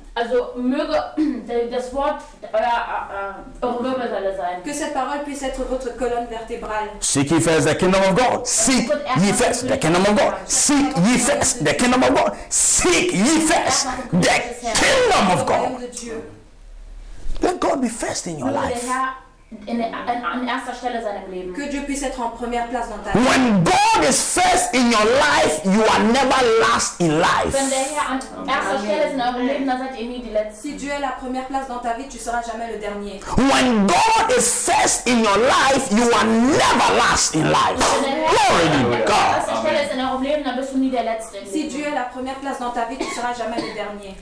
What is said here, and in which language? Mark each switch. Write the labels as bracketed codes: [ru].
[de] Also möge das Wort eure Wirbelsäule sein. [fr] Que cette parole puisse être votre colonne vertébrale. [en] Seek ye first the kingdom of God. Seek ye first the kingdom of God. Seek ye first the kingdom of God. Seek ye first the kingdom of God. Let God be first in your life. [fr] Que Dieu puisse être en première place dans ta vie. [en] When God is first in your life, you are never last in life. [de] Wenn der Herr an erster Stelle ist in eurem Leben, dann seid ihr nie die letzte. [fr] Si Dieu est la première place dans ta vie, tu seras jamais le dernier. [en] When God is first in your life, you are never last in life. Glory to God. [fr] Si Dieu est la première place dans ta vie, tu seras jamais le dernier.